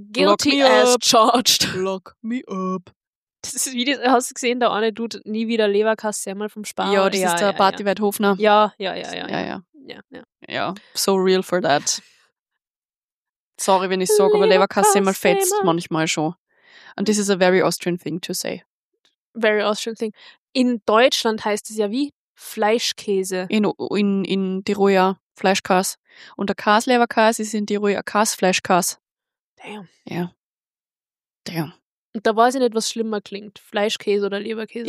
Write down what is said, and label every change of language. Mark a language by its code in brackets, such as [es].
[en] Guilty as charged. Lock me up. [de] Das ist wie das, hast du gesehen, der eine tut nie wieder Leverkass, einmal vom Spar. Ja, das ist der Barty Weidhofner. Ja, ja, ja, ja. Ja, ja. Ja, [en] so real for that. [de] Sorry, wenn ich sage, aber Leverkass einmal fetzt manchmal schon. [en] And this is a very Austrian thing to say. Very Austrian thing. [de] In Deutschland heißt es ja wie Fleischkäse. In Tirol ja Fleischkäse. Und der Käsleberkäse ist in Tirol ja Käsefleischkäse. [en] Damn. [de] Ja. Damn. Und da weiß ich nicht, was schlimmer klingt. Fleischkäse oder Leberkäse?